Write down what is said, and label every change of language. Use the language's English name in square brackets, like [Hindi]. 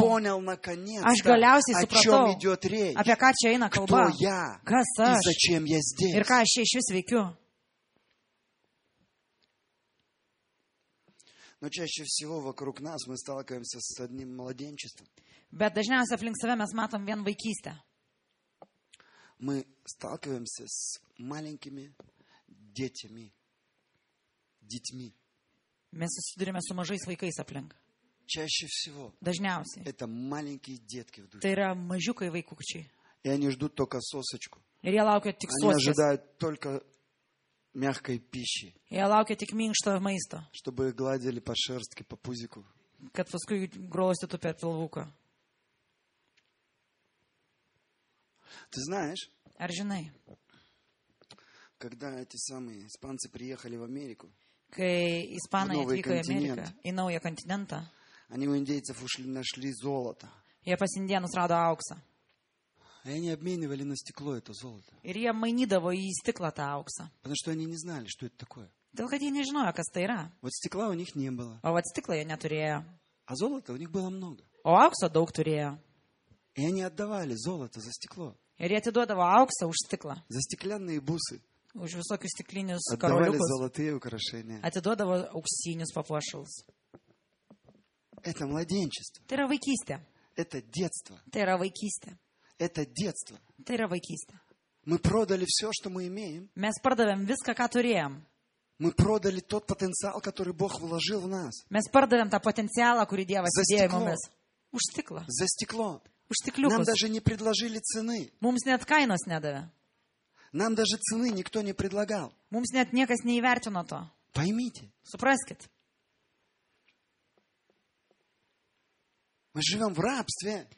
[Russian] понял наконец-то, о чем идет речь, кто я и зачем я здесь. Но чаще всего вокруг нас мы сталкиваемся с одним младенчеством. [Lithuanian] Bet dažniausiai aplink save mes matom vien vaikystę. [Russian] Мы сталкиваемся с маленькими детьми. Детьми. [Lithuanian] Mes susiduriame su mažais vaikais aplink. [Russian] Чаще всего. [Lithuanian] Dažniausiai. [Russian] Это маленькие детки в душе. [Lithuanian] Tai yra mažiukai vaikučiai. [Russian] И они ждут только сосочку. [Lithuanian] Ir jie laukia tik сосочки. [Russian] Они ожидают только мягкой пищи. [Lithuanian] Jie laukia tik minkštojo maisto. [Russian] Чтобы гладили по шерстке, по пузику. [Lithuanian] Kad paskui glostytų per pilvuką. [Russian] Ты знаешь? [Lithuanian] Ar žinai? [Russian] Когда эти самые испанцы приехали в Америку? [Lithuanian] Kai ispanai atvyko į Ameriką, į naują kontinentą. [Russian] Они у индейцев ушли, нашли золото. [Lithuanian] Jie pas indėnus rado auksą. [Russian] И они обменивали на стекло это золото. [Lithuanian] Ir jie mainydavo į stiklą tą auksą. [Russian] Потому что они не знали, что это такое. [Lithuanian] Dėl kad jie nežinojo, kas tai yra. [Russian] Вот стекла у них не было. [Lithuanian] O vat stiklą jie neturėjo. [Russian] А золота у них было много. [Lithuanian] O aukso daug turėjo. [Russian] И они отдавали золото за стекло. [Lithuanian] Ir jie atiduodavo auksą už stiklą. [Russian] За стеклянные бусы. [Lithuanian] Už visokius stiklinius karoliukus. [Russian] Отдавали золотые украшения. [Lithuanian] Atiduodavo auksinius papuošalus. [Russian] Это младенчество. [Lithuanian] Tai yra vaikystė. [Russian] Это детство. [Lithuanian] Tai yra vaikystė. [Russian] Это детство. [Lithuanian] Tai yra vaikystė. [Russian] Мы продали все, что мы имеем. [Lithuanian] Mes pardavėm viską, ką turėjom. [Russian] Мы продали тот потенциал, который Бог вложил в нас. [Lithuanian] Mes pardavėm tą potencialą, kurį Dievas įdėjo į mumis. Už stiklą. [Russian] За стекло. [Lithuanian] Už stikliukus. [Russian] Нам даже не предложили цены. [Lithuanian] Mums net kainos nedavė. [Russian] Нам даже цены никто не предлагал. [Lithuanian] Mums net niekas neįvertino to. [Russian] Поймите. [Lithuanian] Supraskit. [Russian] Мы живем в рабстве.